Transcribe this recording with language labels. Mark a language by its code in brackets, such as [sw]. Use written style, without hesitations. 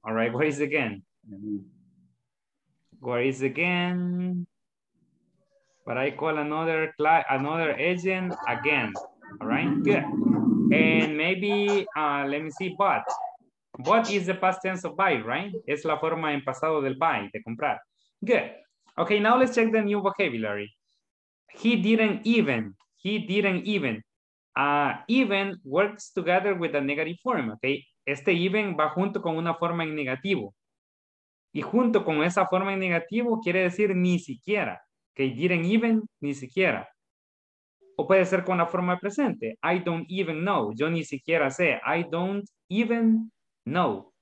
[en] All right. Where is again? But I call another client, another agent again. All right, good. And maybe, let me see, but. But is the past tense of buy, right? [es] Es la forma en pasado del buy, de comprar. [en] Good. Okay, now let's check the new vocabulary. He didn't even. Even works together with a negative form, okay? [es] Este even va junto con una forma en negativo. Y junto con esa forma en negativo quiere decir ni siquiera. Okay, didn't even, ni siquiera. O puede ser con la forma presente. [en] I don't even know. [es] Yo ni siquiera sé. [en] I don't even know.